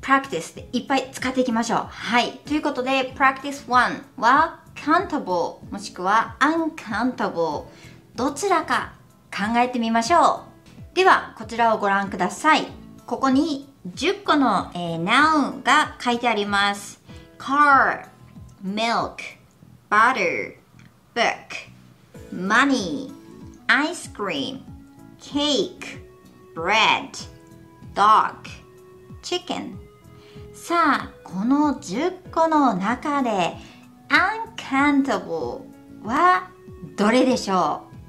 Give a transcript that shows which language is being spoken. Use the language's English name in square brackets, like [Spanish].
[Japanese] practice でいっぱい使っていきましょう。はい、ということで practice one は countable もしくは uncountable、 どちらか考えてみましょう。ではこちらをご覧ください。ここに10個の、noun が書いてあります。 [English] car, milk, butter, book, money, ice cream, cake, bread, dog, chicken. [Japanese] さあ、この10個の中で uncountable はどれでしょう？